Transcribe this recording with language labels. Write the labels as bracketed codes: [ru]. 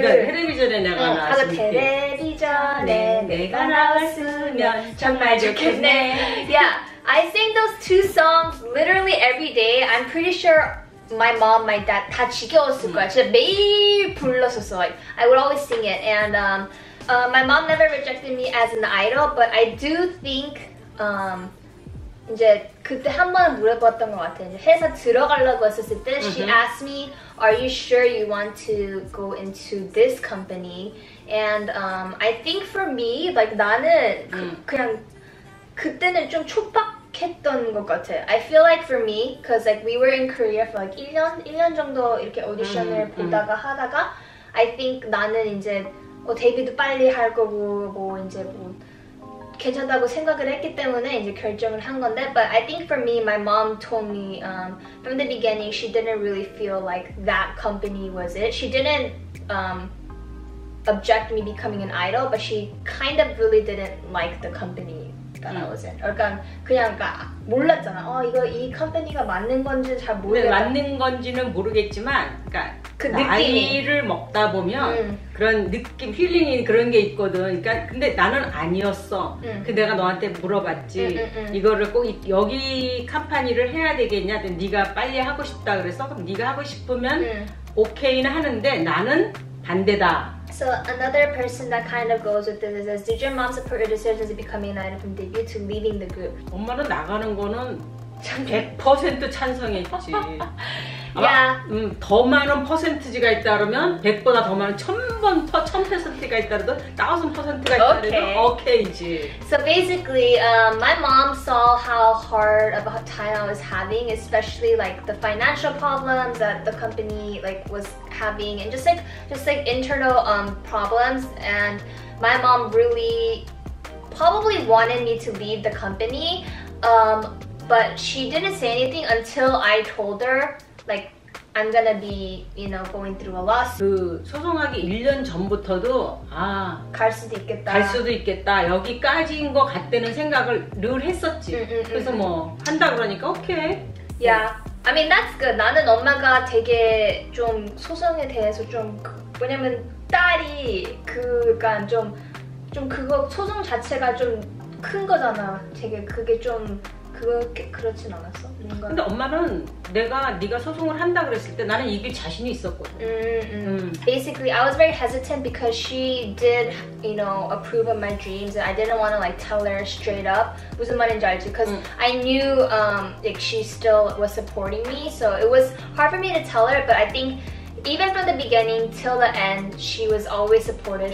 [ko] 텔레비전에 내가 나왔을 때 텔레비전에 내가 나왔으면 정말 좋겠네. [en] Yeah, I sang those two songs literally every day. I'm pretty sure my mom, my dad [ko] 다 지겨웠을 거야. 진짜 매일 불렀었어. [en] Like, I would always sing it. And my mom never rejected me as an idol, but I do think [ko] 이제 그때 한 번 물어봤던 것 같아. 이제 회사 들어가려고 했었을 때 [en] She asked me, are you sure you want to go into this company? And I think for me, like [ko] 나는 그냥 그때는 좀 촉박했던 것 같아. [en] I feel like for me, because like we were in Korea for like [ko] 1년 정도 이렇게 오디션을 보다가 하다가 [en] I think [ko] 나는 이제 데뷔도 빨리 할 거고 뭐 이제 뭐 괜찮다고 생각을 했기 때문에 이제 결정을 한 건데 [en] but I think for me my mom told me from the beginning she didn't really feel like that company was it. She didn't object me becoming an idol but she kind of really didn't like the company. when I was in. [ko] 약간 그냥 그러니까 몰랐잖아. 어 이거 이 컴퍼니가 맞는 건지 잘 모르겠다. 맞는 건지는 모르겠지만, 그러니까 그 나이를 먹다 보면 그런 느낌, 필링이 그런 게 있거든. 그러니까 근데 나는 아니었어. 그 내가 너한테 물어봤지. 이거를 꼭 여기 컴퍼니를 해야 되겠냐? 네가 빨리 하고 싶다 그래서 그럼 네가 하고 싶으면 오케이는 하는데 나는 반대다. [en] So another person that kind of goes with this is, did your mom support your decision to becoming an idol from debut to leaving the group? [ko] 엄마는 나가는 거는 100% 찬성했지. [en] Yeah. [ko] 더 많은 퍼센트지가 있다면 100보다 더 많은 1000번 더 1000%가 있다라도 1000%가 있다라도 오케이지. [en] So basically, my mom saw how hard of a time I was having, especially like the financial problems that the company like was having, and just like internal problems. And my mom really probably wanted me to leave the company, but she didn't say anything until I told her. Like, I'm gonna be, you know, going through a loss. [ko] 그 소송하기 1년 전부터도 아 갈 수도 있겠다. 갈 수도 있겠다. 여기까지인 것 같다는 생각을 늘 했었지. 그래서 뭐 한다 그러니까 오케이. [en] Yeah, I mean that's good. [ko] 나는 엄마가 되게 좀 소송에 대해서 좀 왜냐면 딸이 그니까 좀 그거 소송 자체가 좀 큰 거잖아. 되게 그게 좀 그렇게 그렇진 않았어. 뭔가. 근데 엄마는 내가 네가 소송을 한다 그랬을 때 나는 이길 자신이 있었거든. [en] Basically, I was very hesitant because she did, you know, approve of my dreams, and I didn't want to like tell her straight up [ko] 무슨 말인지 알지? [en] Because I knew like she still was supporting me, so it was hard for me to tell her. But I think even from the beginning till the end, she was always supportive.